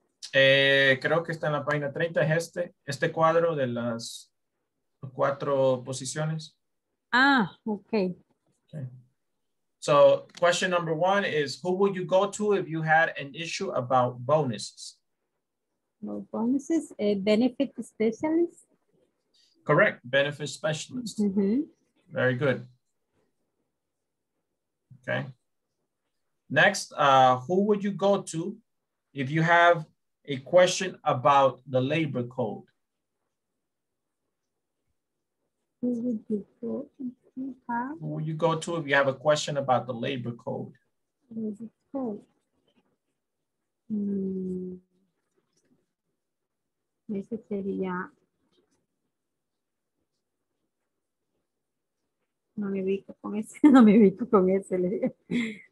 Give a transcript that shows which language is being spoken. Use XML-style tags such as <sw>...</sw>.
<es>Creo que está en la página 30, es este cuadro de las... cuatro posiciones. Ah, okay.</es> <en>So, question number one is, who would you go to if you had an issue about bonuses? No bonuses, a benefit specialist? Correct, benefit specialist. Mm-hmm. Very good. Okay. Next, who would you go to if you have a question about the labor code. Who will you go to if you have a question about the labor code?</en> <es>No me ubico con ese, no me ubico con ese.</es>